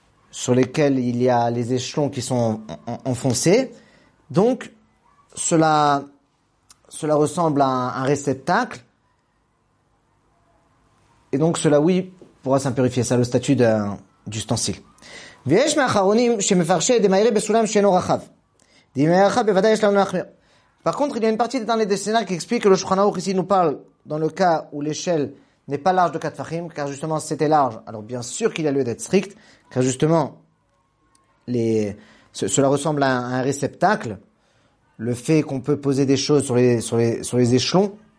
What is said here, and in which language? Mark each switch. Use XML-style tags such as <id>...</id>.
<fr>sur lesquels il y a les échelons qui sont enfoncés, donc cela ressemble à un réceptacle, et donc cela, oui, pourra s'impurifier, ça a le statut d'ustensile.</fr> <he>ויש מאחרונים שמפרשים דמיירי בסולם שאינו רחב. דמיירי רחב בוודאי יש לנו להחמיר.</he> <fr>Par contre, il y a une partie dans les décennaires qui explique que le Shulchan Aruch ici nous parle dans le cas où l'échelle n'est pas large de 4 fachim, car justement c'était large. Alors bien sûr qu'il y a lieu d'être strict, car justement cela ressemble à un réceptacle, le fait qu'on peut poser des choses sur les échelons.</fr>